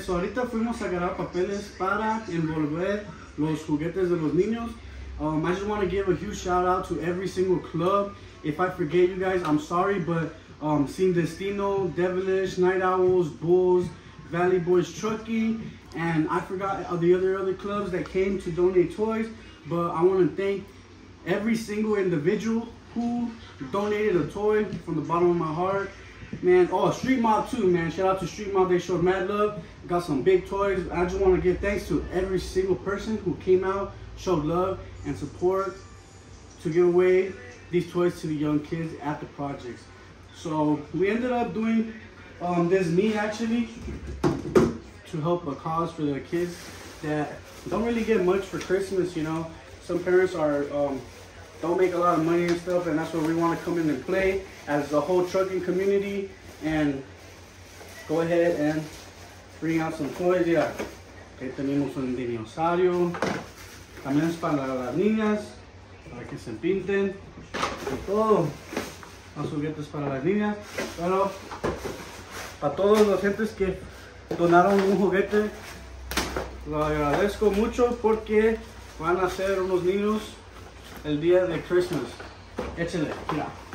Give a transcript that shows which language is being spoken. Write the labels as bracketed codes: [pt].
[es] So, ahorita fuimos a grabar papeles para envolver los juguetes de los niños. [en] I just want to give a huge shout out to every single club. If I forget you guys, I'm sorry, but Sin Destino, Devilish, Night Owls, Bulls, Valley Boys Trucking, and I forgot the other clubs that came to donate toys, but I want to thank every single individual who donated a toy from the bottom of my heart. Man, oh, Street Mob too, man. Shout out to Street Mob. They showed mad love. Got some big toys. I just want to give thanks to every single person who came out, showed love and support to give away these toys to the young kids at the projects. So we ended up doing this meet actually to help a cause for the kids that don't really get much for Christmas, you know. Some parents are don't make a lot of money and stuff, and that's where we want to come in and play as the whole trucking community and go ahead and bring out some toys. [es] Yeah, ahí tenemos un dinosaurio. También es para las niñas, para que se pinten. Y todo, los juguetes para las niñas. Bueno, para todos los gentes que donaron un juguete, lo agradezco mucho porque van a ser unos niños el día de Christmas. Échenle, mira.